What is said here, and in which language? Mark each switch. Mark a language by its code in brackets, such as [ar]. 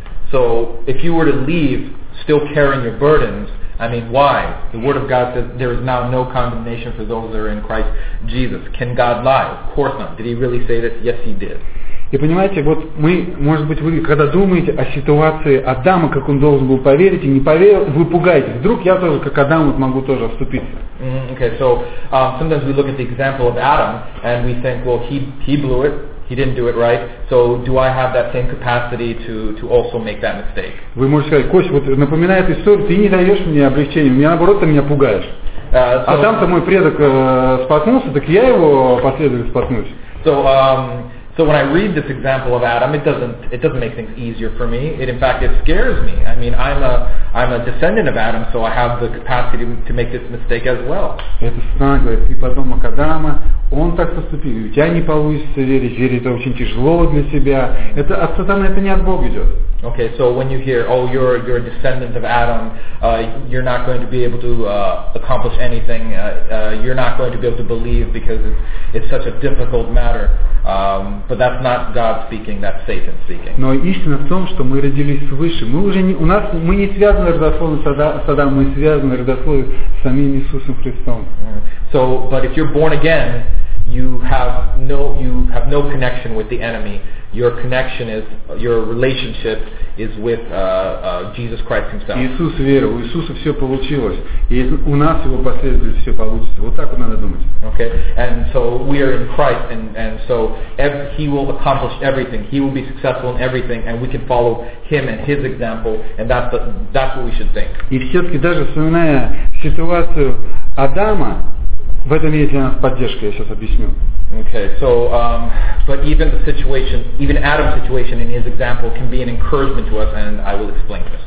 [en] So if you were to leave still carrying your burdens, I mean, why? The Word of God says there is now no condemnation for those that are in Christ Jesus. Can God lie? Of course not. Did he really say this? Yes, he did. [ru] И понимаете, вот мы, может быть, вы когда думаете о ситуации Адама, как он должен был поверить и не поверил, вы пугаетесь. Вдруг я тоже, как Адам, вот могу тоже вступиться. [en] Okay, so sometimes we look at the example of Adam and we think, well, he blew it. He didn't do it right. So do I have that same capacity to also make that mistake? [ru] Вы можете сказать, Кость, вот напоминает историю, ты не даешь мне облегчения, мне наоборот ты меня пугаешь. А там-то мой предок споткнулся, так я его последовательно споткнусь. [en] So, um, So when I read this example of Adam, it doesn't make things easier for me. It, in fact, it scares me. I mean, I'm a descendant of Adam, so I have the capacity to make this mistake as well. [ru] Это страшно, говорит, ты потомок Адама, он так поступил, у тебя не получится верить, верить это очень тяжело для себя. Это от сатаны, это не от Бога идет. [en] Okay, so when you hear, oh, you're a descendant of Adam, you're not going to be able to accomplish anything, you're not going to be able to believe because it's such a difficult matter. But that's not God speaking, that's Satan speaking. [ru] Но истина в том, что мы родились свыше. Мы уже не, у нас, мы не связаны родословием с Адамом, мы связаны родословием с самим Иисусом Христом. [en] So, but if you're born again, you have no connection with the enemy. Your connection is, your relationship is with Jesus Christ himself. [ru] Иисус верил, у Иисуса все получилось. И у нас его последователи все получится. Вот так вот надо думать. [en] Okay, and so we are in Christ, and so he will accomplish everything. He will be successful in everything, and we can follow him and his example, and that's what we should think. [ru] И все-таки даже вспоминая ситуацию Адама, в этом есть для нас поддержка, я сейчас объясню. [en] Okay, so, but even the situation, even Adam's situation in his example can be an encouragement to us, and I will explain this.